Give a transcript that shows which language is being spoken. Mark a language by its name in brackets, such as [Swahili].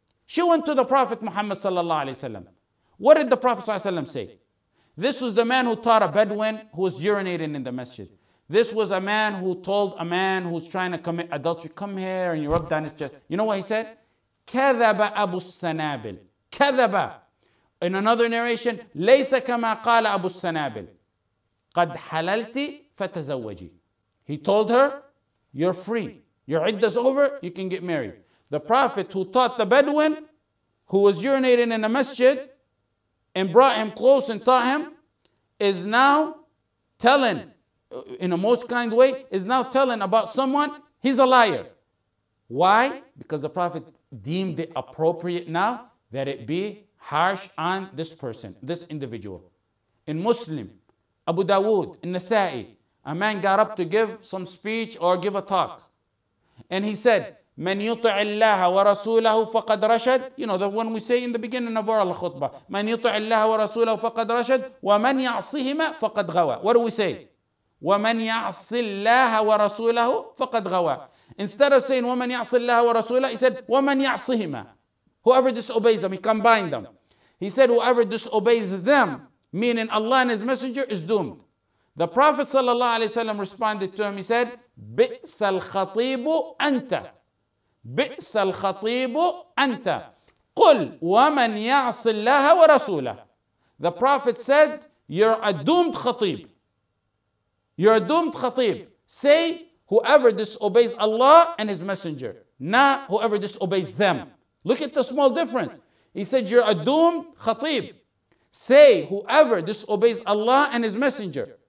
[English] She went to the Prophet Muhammad sallallahu alaihi wasallam. What did the Prophet sallallahu alaihi wasallam say? This was the man who taught a Bedouin who was urinating in the masjid. This was a man who told a man who's trying to commit adultery, come here and you rub down his chest. You know what he said? [Arabic] Kadhaba Abu Sanabil. Kadhaba. [English] In another narration, [Arabic] لَيْسَ كَمَا قَالَ أَبُو السَّنَابِلِ قَدْ حَلَلْتِ فَتَزَوَّجِ. [English] He told her, you're free. Your iddah's over, you can get married. The Prophet who taught the Bedouin, who was urinating in a masjid, and brought him close and taught him, is now telling, in a most kind way, is now telling about someone, he's a liar. Why? Because the Prophet deemed it appropriate now that it be harsh on this person, this individual. In Muslim, Abu Dawood, in Nasa'i, a man got up to give some speech or give a talk. And he said, [Arabic] من يطع الله ورسوله فقد رشد. [English] You know, the one we say in the beginning of our khutbah. [Arabic] من يطع الله ورسوله فقد رشد. ومن يعصهما فقد غوى. [English] What do we say? [Arabic] ومن يعص الله ورسوله فقد غوى. [English] Instead of saying, [Arabic] ومن يعص الله ورسوله, [English] he said, [Arabic] ومن يعصهما. [English] Whoever disobeys them, he combined them. He said, whoever disobeys them, meaning Allah and His Messenger, is doomed. The Prophet ﷺ responded to him, he said, [Arabic] بِئْسَ الْخَطِيبُ أَنْتَ. بئس الخطيب أنت قل ومن يعص الله ورسوله. [English] The Prophet said, you're a doomed khatib. You're a doomed khatib. Say, whoever disobeys Allah and His Messenger, not whoever disobeys them. Look at the small difference. He said, you're a doomed khatib. Say, whoever disobeys Allah and His Messenger.